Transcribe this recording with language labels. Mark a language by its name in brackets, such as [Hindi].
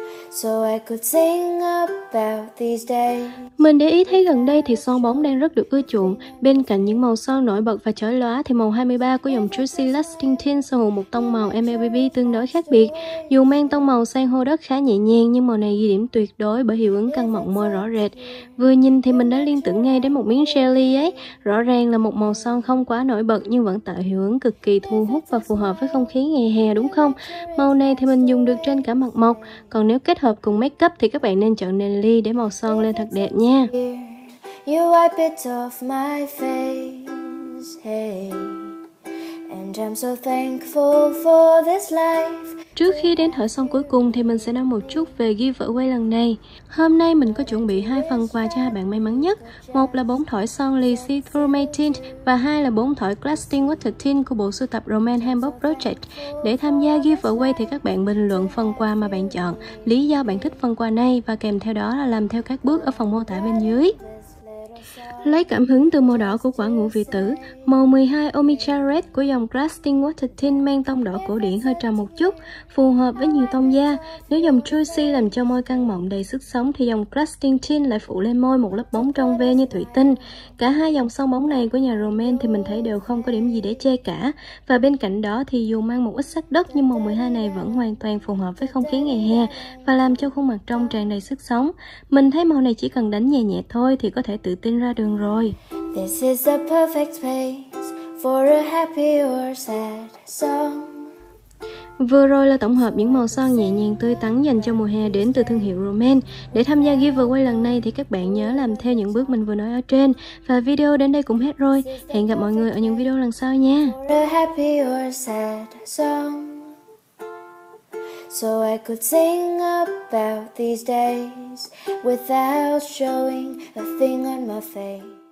[English] So I could sing about these days. [Vietnamese] Mình để ý thấy gần đây thì son bóng đang rất được ưa chuộng. Bên cạnh những màu son nổi bật và chói lóa thì màu 23 của dòng Juicy Lasting Tint sở hữu một tông màu MLBB tương đối khác biệt. Dù mang tông màu sang hô đất khá nhẹ nhàng nhưng màu này ghi điểm tuyệt đối bởi hiệu ứng căng mọng môi rõ rệt. Vừa nhìn thì mình đã liên tưởng ngay đến một miếng jelly ấy. Rõ ràng là một màu son không quá nổi bật nhưng vẫn tạo hiệu ứng cực kỳ thu hút và phù hợp với không khí ngày hè, đúng không? Màu này thì mình dùng được trên cả mặt mộc. Còn nếu kết hợp cùng make up thì các bạn nên chọn nền ly để màu son lên thật đẹp nha. [English] You wipe it off my face, hey. And I'm so thankful for this life. [Vietnamese] Trước khi đến thỏi son cuối cùng thì mình sẽ nói một chút về giveaway lần này. Hôm nay mình có chuẩn bị hai phần quà cho hai bạn may mắn nhất. Một là 4 thỏi son lì See Through Matte Tint và hai là 4 thỏi Glassing Water Tint của bộ sưu tập Roman Hamburg Project. Để tham gia giveaway thì các bạn bình luận phần quà mà bạn chọn, lý do bạn thích phần quà này và kèm theo đó là làm theo các bước ở phần mô tả bên dưới. Lấy cảm hứng từ màu đỏ của quả ngũ vị tử, màu 12 Omicha Red của dòng Glassing Water Tint mang tông đỏ cổ điển hơi trầm một chút, phù hợp với nhiều tông da. Nếu dòng Juicy làm cho môi căng mọng đầy sức sống thì dòng Glassing Tint lại phủ lên môi một lớp bóng trong veo như thủy tinh. Cả hai dòng son bóng này của nhà Roman thì mình thấy đều không có điểm gì để chê cả. Và bên cạnh đó thì dù mang một ít sắc đất nhưng màu 12 này vẫn hoàn toàn phù hợp với không khí ngày hè và làm cho khuôn mặt trong tràn đầy sức sống. Mình thấy màu này chỉ cần đánh nhẹ nhẹ thôi thì có thể tự tin ra đường rồi. [English] This is the perfect place for a happy or sad song. [Vietnamese] Vừa rồi là tổng hợp những màu son nhẹ nhàng tươi tắn dành cho mùa hè đến từ thương hiệu Roman. Để tham gia giveaway lần này thì các bạn nhớ làm theo những bước mình vừa nói ở trên. Và video đến đây cũng hết rồi. Hẹn gặp mọi người ở những video lần sau nha. [English] For a happy or sad song. So I could sing about these days without showing a thing on my face.